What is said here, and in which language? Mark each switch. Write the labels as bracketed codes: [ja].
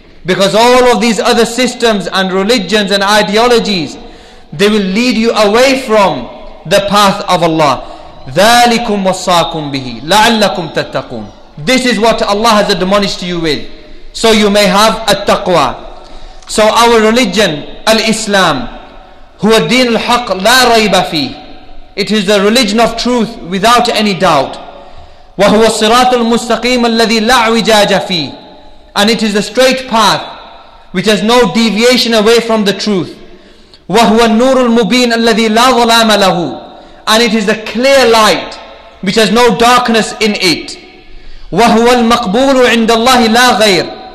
[en] Because all of these other systems and religions and ideologies, they will lead you away from the path of Allah. [ar] ذَلِكُمْ وَصَّاكُمْ بِهِ لَعَلَّكُمْ تَتَّقُونَ. [en] This is what Allah has admonished you with, so you may have at-taqwa. So our religion, al-Islam, [ar] هو الدين الحق لا ريب فيه. [en] It is the religion of truth without any doubt. [ar] وهو الصراط المستقيم الذي لا عوجاج فيه. [en] And it is a straight path which has no deviation away from the truth. [ar] وَهُوَ النُّورُ الْمُبِينَ الَّذِي لَا ظُلَامَ لَهُ. [en] And it is a clear light which has no darkness in it. [ar] وَهُوَ الْمَقْبُولُ عِنْدَ اللَّهِ لَا غَيْرٍ.